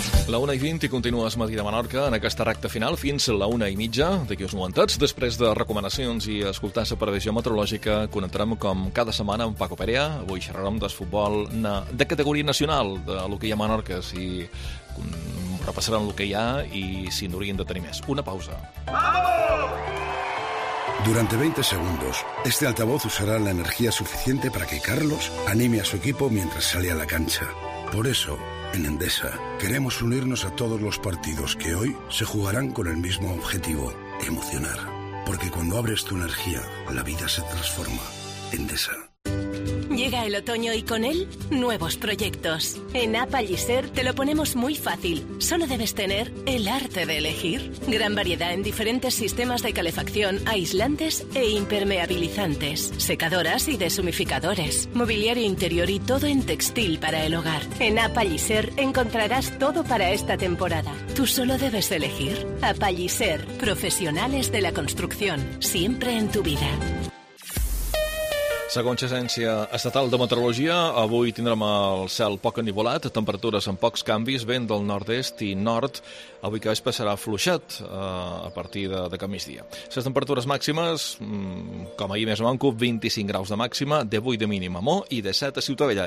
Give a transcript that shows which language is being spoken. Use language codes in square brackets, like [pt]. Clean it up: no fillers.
[ca] La 1:20 i continua es Matí de Menorca en aquesta recta final fins a la 1:30 d'aquí uns momentets. Després de recomanacions i escoltar la previsió meteorològica, connectarem com cada setmana amb Paco Perea. Avui xerrarem del futbol de categoria nacional, de lo que hi ha a Menorca, si repassaran el que hi ha i si n'haurien de tenir més. Una pausa. [es] Durante 20 segundos, este altavoz usará la energía suficiente para que Carlos anime a su equipo mientras sale a la cancha. Por eso, en Endesa, queremos unirnos a todos los partidos que hoy se jugarán con el mismo objetivo, emocionar. Porque cuando abres tu energía, la vida se transforma. Endesa. Llega el otoño y con él, nuevos proyectos. En Apallisser te lo ponemos muy fácil. Solo debes tener el arte de elegir. Gran variedad en diferentes sistemas de calefacción, aislantes e impermeabilizantes, secadoras y deshumidificadores, mobiliario interior y todo en textil para el hogar. En Apallisser encontrarás todo para esta temporada. Tú solo debes elegir. Apallisser, profesionales de la construcción, siempre en tu vida. [ca] Segons l'Agència Estatal de Meteorologia, avui tindrem el cel poc ennivolat, temperatures amb pocs canvis, vent del nord-est i nord. Avui que veig passarà fluixet a partir de cap migdia. Les temperatures màximes, com ahir més o menys, 25 graus de màxima, de 8 de mínim a Mó i de 7 a Ciutadella.